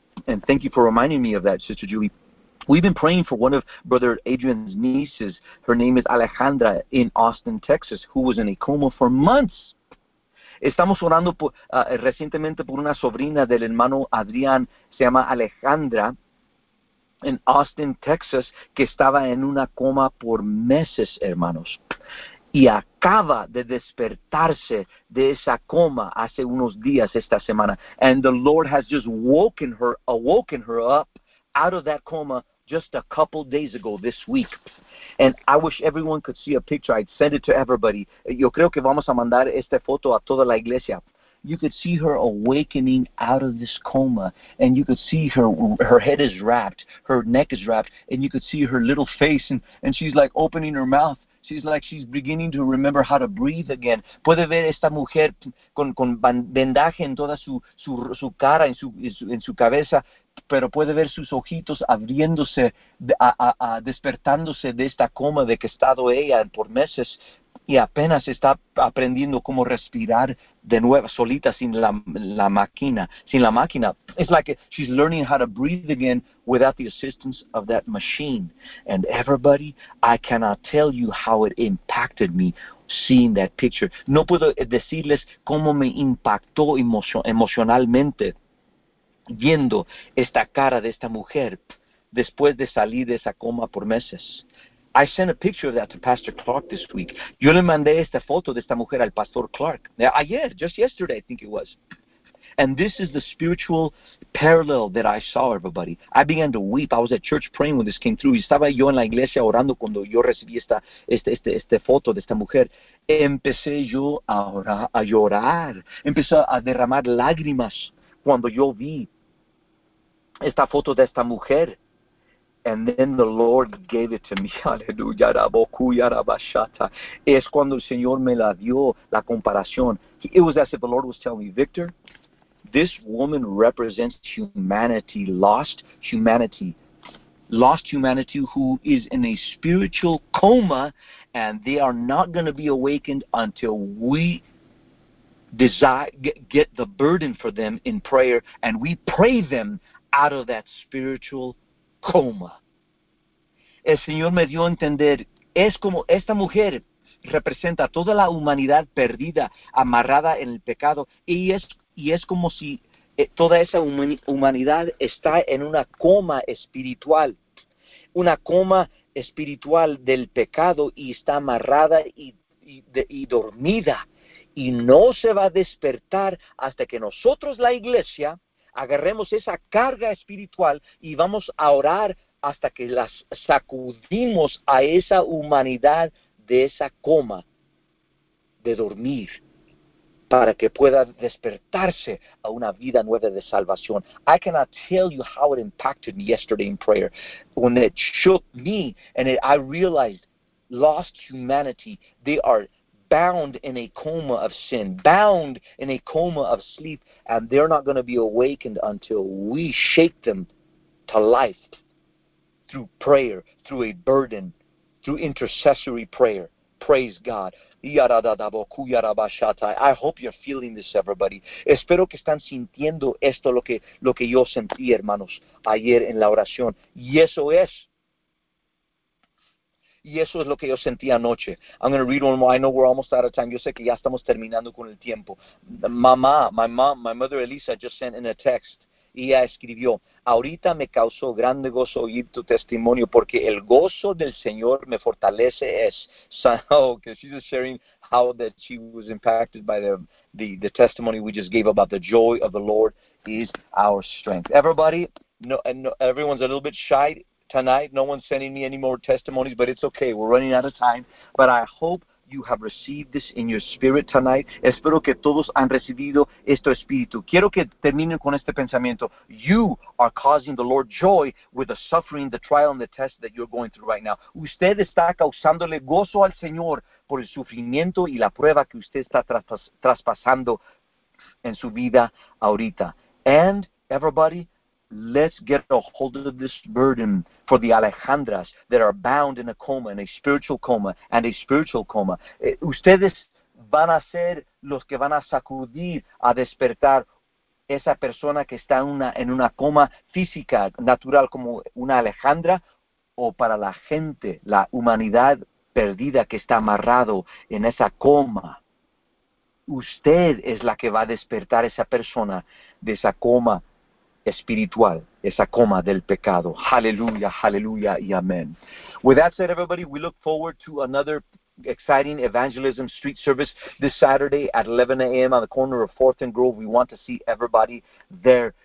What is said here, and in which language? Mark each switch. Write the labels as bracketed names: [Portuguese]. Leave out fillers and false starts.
[English] And thank you for reminding me of that, Sister Julie. We've been praying for one of Brother Adrian's nieces. Her name is Alejandra in Austin, Texas, who was in a coma for months. [Spanish] Estamos orando por, recientemente por una sobrina del hermano Adrián, se llama Alejandra, en Austin, Texas, que estaba en una coma por meses, hermanos. Y acaba de despertarse de esa coma hace unos días, esta semana. [English] And the Lord has just awoken her up out of that coma just a couple days ago this week. And I wish everyone could see a picture. I'd send it to everybody. [Spanish] Yo creo que vamos a mandar esta foto a toda la iglesia. [English] You could see her awakening out of this coma. And you could see her head is wrapped. Her neck is wrapped. And you could see her little face. And she's like opening her mouth. She's like she's beginning to remember how to breathe again. [Spanish] Puede ver esta mujer con vendaje en toda su cara, en su cabeza. Pero puede ver sus ojitos abriéndose, despertándose de esta coma de que ha estado ella por meses y apenas está aprendiendo cómo respirar de nuevo, solita, sin la máquina. [English] It's like she's learning how to breathe again without the assistance of that machine. And everybody, I cannot tell you how it impacted me seeing that picture. [Spanish] No puedo decirles cómo me impactó emocionalmente viendo esta cara de esta mujer después de salir de esa coma por meses. [English] I sent a picture of that to Pastor Clark this week. [Spanish] Yo le mandé esta foto de esta mujer al Pastor Clark. Ayer, [English] just yesterday, I think it was. And this is the spiritual parallel that I saw, everybody. I began to weep. I was at church praying when this came through. [Spanish] Estaba yo en la iglesia orando cuando yo recibí esta foto de esta mujer. Empecé yo a llorar. Empecé a derramar lágrimas cuando yo vi esta foto de esta mujer. [English] And then the Lord gave it to me. Aleluya, rabocu, yarabashata. [Spanish] Es cuando el Señor me la dio, la comparación. [English] It was as if the Lord was telling me, Victor, this woman represents humanity, lost humanity. Lost humanity who is in a spiritual coma, and they are not going to be awakened until we get the burden for them in prayer, and we pray them out of that spiritual coma. [Spanish] El Señor me dio a entender, es como esta mujer representa toda la humanidad perdida, amarrada en el pecado, y es como si toda esa humanidad está en una coma espiritual, del pecado, y está amarrada y dormida. Y no se va a despertar hasta que nosotros, la iglesia, agarremos esa carga espiritual y vamos a orar hasta que las sacudimos a esa humanidad de esa coma de dormir para que pueda despertarse a una vida nueva de salvación. [English] I cannot tell you how it impacted me yesterday in prayer when it shook me and I realized lost humanity, they are bound in a coma of sin, bound in a coma of sleep, and they're not going to be awakened until we shake them to life through prayer, through a burden, through intercessory prayer. Praise God. I hope you're feeling this, everybody. [Spanish] Espero que están sintiendo esto, lo que yo sentí, hermanos, ayer en la oración. Y eso es lo que yo sentí anoche. [English] I'm going to read one more. I know we're almost out of time. [Spanish] Yo sé que ya estamos terminando con el tiempo. Mamá, [English] my mom, my mother Elisa just sent in a text. [Spanish] Y ella escribió, ahorita me causó grande gozo oír tu testimonio porque el gozo del Señor me fortalece es. [English] So, okay, she's just sharing how that she was impacted by the testimony we just gave about the joy of the Lord is our strength. Everybody, everyone's a little bit shy tonight. No one's sending me any more testimonies, but it's okay. We're running out of time. But I hope you have received this in your spirit tonight. [Spanish] Espero que todos han recibido esto espíritu. Quiero que terminen con este pensamiento. [English] You are causing the Lord joy with the suffering, the trial, and the test that you're going through right now. [Spanish] Usted está causándole gozo al Señor por el sufrimiento y la prueba que usted está traspasando en su vida ahorita. [English] And everybody, let's get a hold of this burden for the Alejandras that are bound in a coma, in a spiritual coma, and a spiritual coma. [Spanish] Ustedes van a ser los que van a sacudir, a despertar esa persona que está en una coma física, natural, como una Alejandra, o para la gente, la humanidad perdida que está amarrado en esa coma. Usted es la que va a despertar esa persona de esa coma espiritual, esa coma del pecado. Hallelujah, hallelujah, y amen. [English] With that said, everybody, we look forward to another exciting evangelism street service this Saturday at 11 a.m. on the corner of 4th and Grove. We want to see everybody there.